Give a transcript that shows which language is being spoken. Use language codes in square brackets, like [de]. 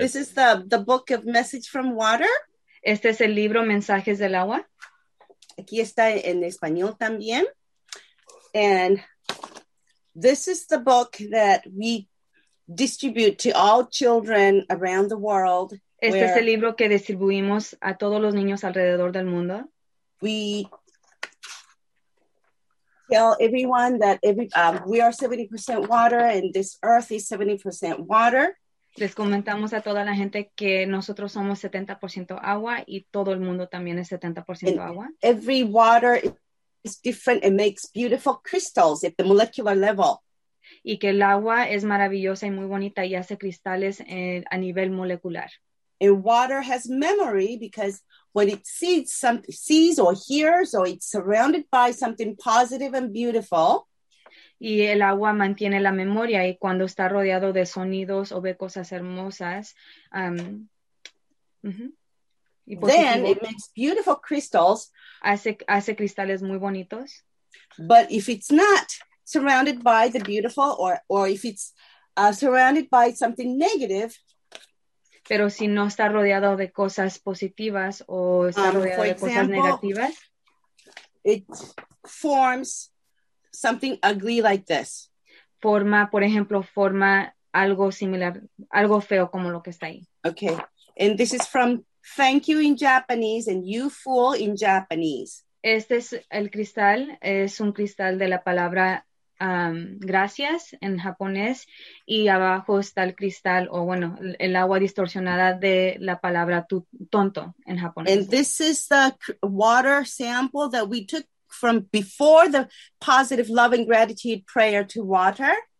[en] This is the book of Message from Water. [es] Este es el libro Mensajes del Agua. Aquí está en español también. [en] And this is the book that we distribute to all children around the world. [es] Este es el libro que distribuimos a todos los niños alrededor del mundo. [en] We tell everyone that we are 70% water and this earth is 70% water. [es] Les comentamos a toda la gente que nosotros somos 70% agua y todo el mundo también es 70% agua. [en] Every water is different and makes beautiful crystals at the molecular level. [es] Y que el agua es maravillosa y muy bonita y hace cristales a nivel molecular. [en] And water has memory because when it sees or hears or it's surrounded by something positive and beautiful. [es] Y el agua mantiene la memoria y cuando está rodeado de sonidos o ve cosas hermosas. [en] Y then it makes beautiful crystals. [es] Hace cristales muy bonitos. [en] But if it's not surrounded by the beautiful or if it's surrounded by something negative. [es] Pero si no está rodeado de cosas positivas o está rodeado de cosas negativas. [en] It forms something ugly like this. [es] Forma, por ejemplo, forma algo similar, algo feo como lo que está ahí. [en] Okay. And this is from thank you in Japanese and you fool in Japanese. [es] Este es el cristal, es un cristal de la palabra gracias en japonés, y abajo está el cristal, o bueno, el agua distorsionada de la palabra tonto en japonés. [en] And this is the water sample that we took from before the positive love and gratitude prayer to water.